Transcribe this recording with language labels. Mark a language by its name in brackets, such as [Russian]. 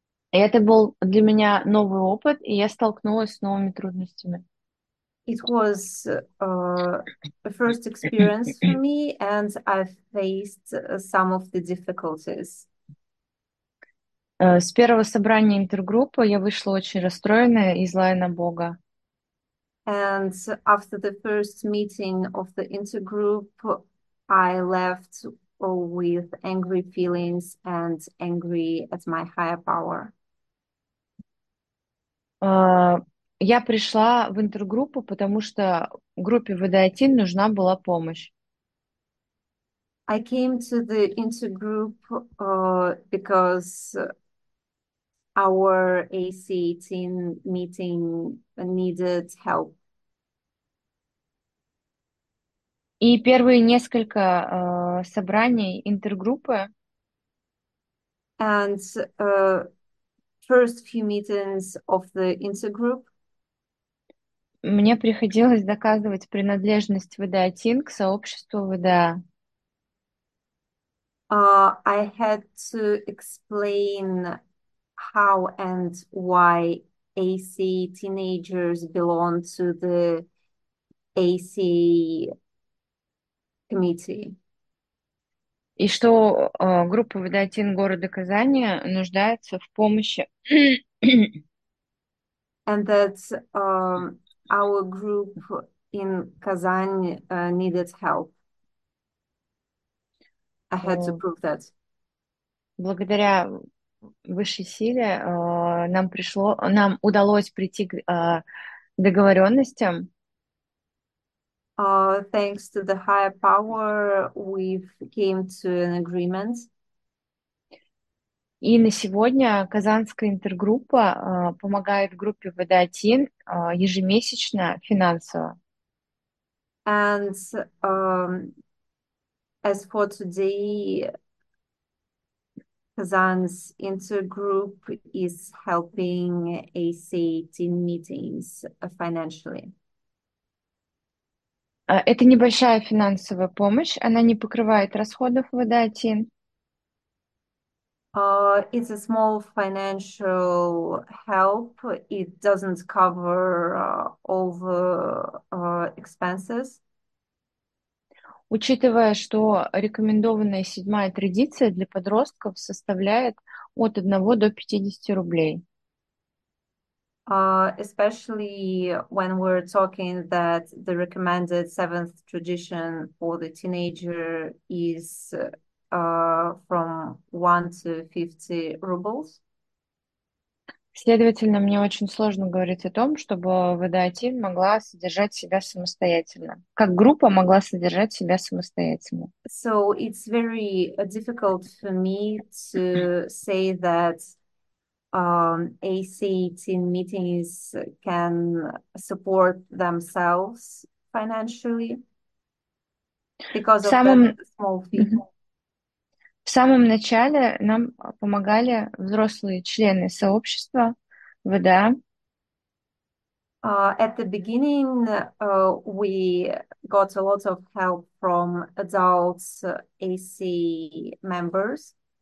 [Russian] Это был для меня новый опыт, и я столкнулась с новыми трудностями. [English] It was a first experience for me, and I faced some of the difficulties. [Russian] С первого собрания интергруппы я вышла очень расстроенная и злая на Бога. [English] And after the first meeting of the intergroup, I left with angry feelings and angry at my higher power. [Russian] Я пришла в интергруппу, потому что группе ВД1 нужна была помощь. [English] I came to the intergroup because our AC18 meeting needed help. [Russian] И первые несколько собраний интергруппы. [English] And first few meetings of the intergroup. [Russian] Мне приходилось доказывать принадлежность ВД1 к сообществу ВДА. [English] I had to explain how and why AC teenagers belong to the AC committee. [Russian] И что группа «Водоотин города Казани» нуждается в помощи. [English] And that our group in Kazan needed help. I had to prove that. [Russian] Благодаря высшей силе нам удалось прийти к договоренностям. [English] Thanks to the higher power, we've came to an agreement. [Russian] И на сегодня Казанская интергруппа помогает группе «Водоотин» ежемесячно финансово. [English] And as for today, Kazan's intergroup is helping ACAT meetings financially. [Russian] Это небольшая финансовая помощь, она не покрывает расходов «Водоотин». [English] It's a small financial help. It doesn't cover all the expenses. [Russian] Учитывая, что рекомендованная седьмая традиция для подростков составляет от 1 до 50 рублей. [English] Especially when we're talking that the recommended seventh tradition for the teenager is from 1 to 50 rubles. [Russian] Следовательно, мне очень сложно говорить о том, чтобы ВДАТИН могла содержать себя самостоятельно, как группа могла содержать себя самостоятельно. [English] So it's very difficult for me to say that ACAT meetings can support themselves financially because of that small fee. [Russian] В самом начале нам помогали взрослые члены сообщества ВДА. [English] At the beginning, we got a lot of help from adults, AC members.